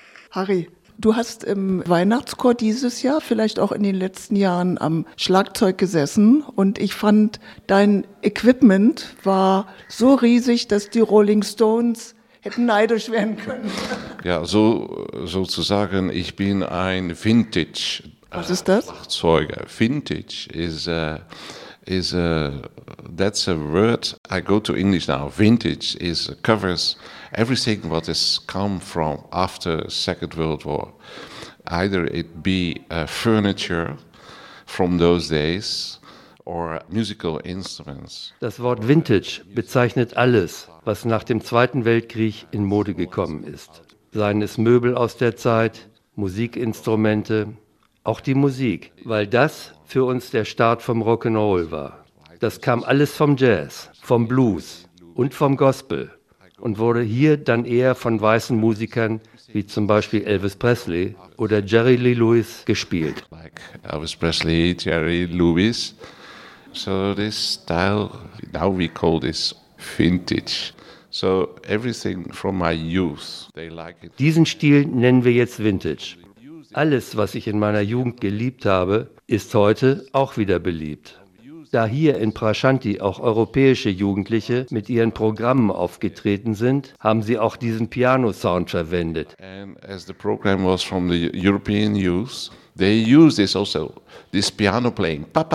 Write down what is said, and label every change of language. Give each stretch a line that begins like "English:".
German: Harry, du hast im Weihnachtschor dieses Jahr, vielleicht auch in den letzten Jahren, am Schlagzeug gesessen und ich fand, dein Equipment war so riesig, dass die Rolling Stones hätten neidisch werden können. Ja, so sozusagen, ich bin ein Vintage-Schlagzeuger. Was ist das?
English: Vintage is that's a word I go to English now. Vintage is covers everything what has come from after Second World War. Either it be furniture from those days or musical instruments.
German: Das Wort Vintage bezeichnet alles, was nach dem Zweiten Weltkrieg in Mode gekommen ist. Seien es Möbel aus der Zeit, Musikinstrumente, auch die Musik, weil das für uns der Start vom Rock'n'Roll war. Das kam alles vom Jazz, vom Blues und vom Gospel und wurde hier dann eher von weißen Musikern wie zum Beispiel Elvis Presley oder Jerry Lee Lewis gespielt.
English: Like Elvis Presley, Jerry Lewis. So this style, now we call this vintage. So everything from my youth, they like it.
German: Diesen Stil nennen wir jetzt Vintage. Alles, was ich in meiner Jugend geliebt habe, ist heute auch wieder beliebt. Da hier in Prashanti auch europäische Jugendliche mit ihren Programmen aufgetreten sind, haben sie auch diesen Piano-Sound verwendet.
English: And as the program was from the European youth, they used this also, this piano playing.